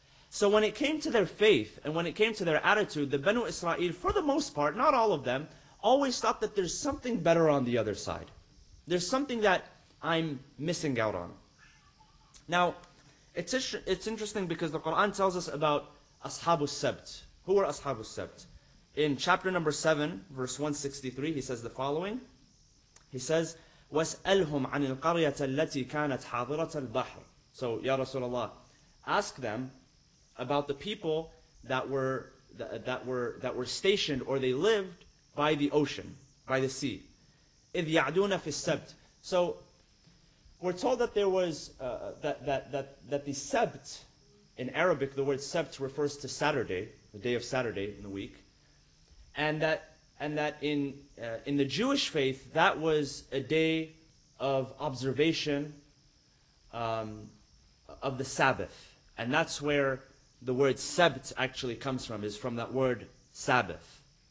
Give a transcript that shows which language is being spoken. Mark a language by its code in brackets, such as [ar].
[en] So when it came to their faith and when it came to their attitude, the Banu Israel, for the most part, not all of them, always thought that there's something better on the other side. There's something that I'm missing out on. Now, it's interesting because the Quran tells us about Ashabu Sabt. Who were Ashabu Sabt? In chapter number 7, verse 163, he says the following. He says, [ar] وَاسْأَلْهُمْ عَنِ الْقَرْيَةَ الَّتِي كَانَتْ حَاضِرَةَ الْبَحْرِ. [en] So, Ya Rasulullah, ask them about the people that were stationed or they lived by the ocean, by the sea. [ar] إِذْ يَعْدُونَ فِي السَّبْتِ. [en] So, we're told that there was that the Sabt, in Arabic, the word Sabt refers to Saturday, the day of Saturday in the week, and that in the Jewish faith, that was a day of observation of the Sabbath, and that's where the word Sabt actually comes from, is from that word Sabbath.